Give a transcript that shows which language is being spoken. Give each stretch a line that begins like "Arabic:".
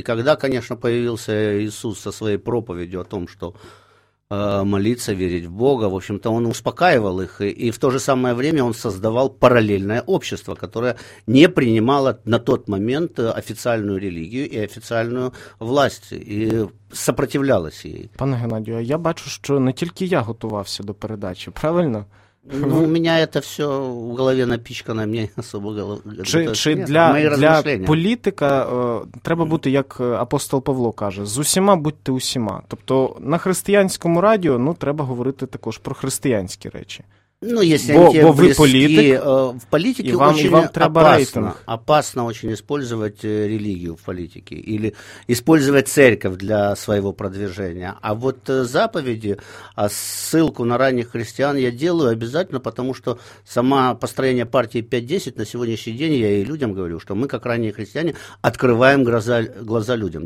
Russian: И когда, конечно, появился Иисус со своей проповедью о том, что молиться, верить в Бога, в общем-то, он успокаивал их, и в то же самое время он создавал параллельное общество, которое не принимало на тот момент официальную религию и официальную власть, и сопротивлялось ей.
Ukrainian: Пане Геннадію, я бачу,
Russian: что не только я готовался до передачи, правильно? Ну, у меня это все в голове напичкано, мне особо голова...
Ukrainian: Чи для політика треба бути, як апостол Павло каже, з усіма будьте усіма. Тобто на християнському радіо, ну, треба говорити також про християнські речі.
Russian: Ну, если бо, они тебе бо близки, вы политик, в политике вам, очень вам опасно, опасно очень использовать религию в политике или использовать церковь для своего продвижения. А вот заповеди, ссылку на ранних христиан я делаю обязательно, потому что само построение партии 5-10 на сегодняшний день, я и людям говорю, что мы, как ранние христиане, открываем глаза людям.